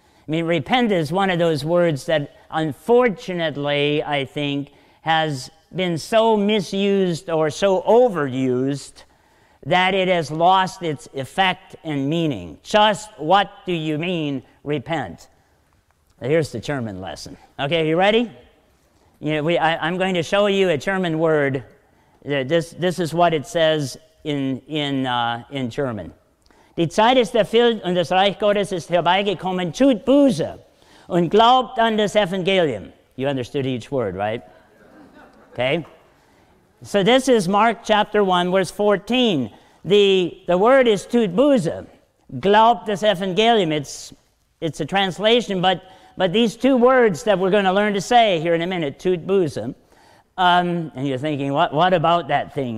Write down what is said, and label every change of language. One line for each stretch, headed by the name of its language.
English: I mean, repent is one of those words that unfortunately, I think, has been so misused or so overused that it has lost its effect and meaning. Just what do you mean repent? Here's the German lesson. Okay, you ready? You know, I'm going to show you a German word. This is what it says in German.
German: Die Zeit ist erfüllt und das Reich Gottes ist herbeigekommen. Tut Buße und glaubt an das Evangelium.
English: You understood each word, right? Okay. So this is Mark chapter 1, verse 14. The word is
German: tut Buße, glaubt das Evangelium.
English: It's a translation, but these two words that we're going to learn to say here in a minute, tut Buße, and you're thinking, what about that thing?